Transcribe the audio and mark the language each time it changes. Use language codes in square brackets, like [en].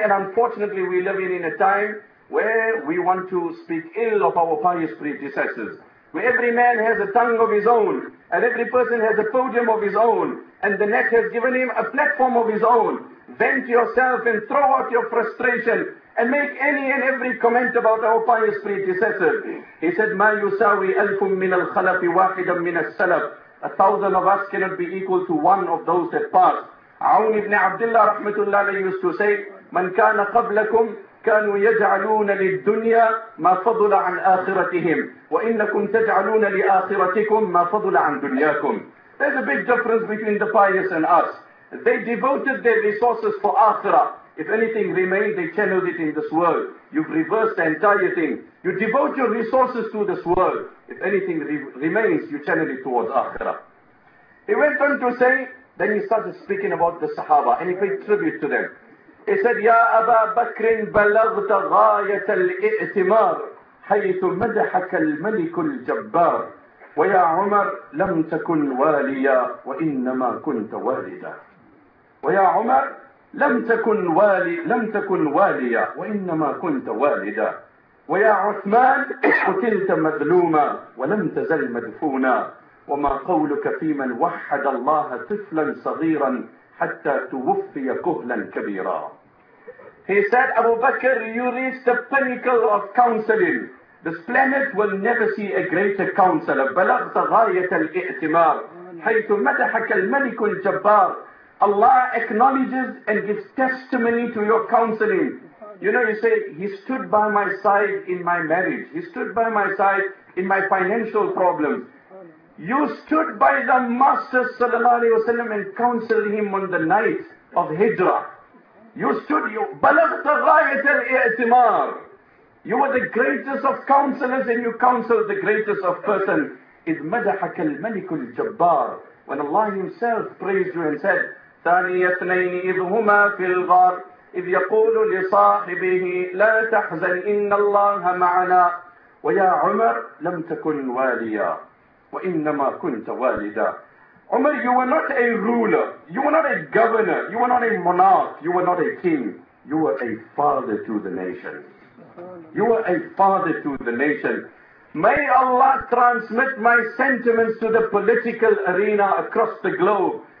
[en] And unfortunately we live in a time where we want to speak ill of our pious predecessors, where every man has a tongue of his own, and every person has a podium of his own, and the net has given him a platform of his own. Vent yourself and throw out your frustration and make any and every comment about our pious predecessor. He said, [ar] مَا يُسَاوِي أَلْفٌ مِّنَ الْخَلَفِ وَاحِدًا مِّنَ السَّلَفِ. [en] 1,000 of us cannot be equal to one of those that passed. Aun ibn Abdullah rahmatullah used to say, [ar] مَنْ كَانَ قَبْلَكُمْ كانوا يجعلون للدنيا ما فضل عن آخرتهم وإنكم تجعلون لآخرتكم ما فضل عن دنياكم. [en] There's a big difference between the pious and us. They devoted their resources for akhirah. If anything remained, they channeled it in this world. You've reversed the entire thing. You devote your resources to this world. If anything remains, you channel it towards akhirah. He went on to say, then he started speaking about the Sahaba and he paid tribute to them. He said, [ar] Ya Aba Bakr, بلغت غاية الائتمار حيث مدحك الملك الجبار ويا عمر لم تكن واليا وإنما كنت والدا ويا عمر لم تكن واليا وإنما كنت والدا ويا عثمان قتلت مظلوما ولم تزل مدفونا وما قولك فيمن وحد الله طفلا صغيرا حتى توفي كهلا كبيرا. [en] He said, Abu Bakr, you reached the pinnacle of counseling. This planet will never see a greater counselor. [ar] بلغت غاية الائتمار حيث مدحك الملك الجبار. [en] Allah acknowledges and gives testimony to your counseling. You know, you say, he stood by my side in my marriage. He stood by my side in my financial problems. You stood by the Master sallallahu alayhi wa sallam and counseled him on the night of Hijrah. [ar] بلغت غاية الائتمار. [en] You were the greatest of counselors and you counseled the greatest of person. [ar] إذ مدحك الملك الجبار. [en] When Allah himself praised you and said, [ar] ثاني اثنين إذ هما في الغار إذ يقول لصاحبه لا تحزن إن الله معنا ويا عمر لم تكن واليا وإنما كنت والدا. [en] Umar, you were not a ruler, you were not a governor, you were not a monarch, you were not a king. You were a father to the nation. You were a father to the nation. May Allah transmit my sentiments to the political arena across the globe.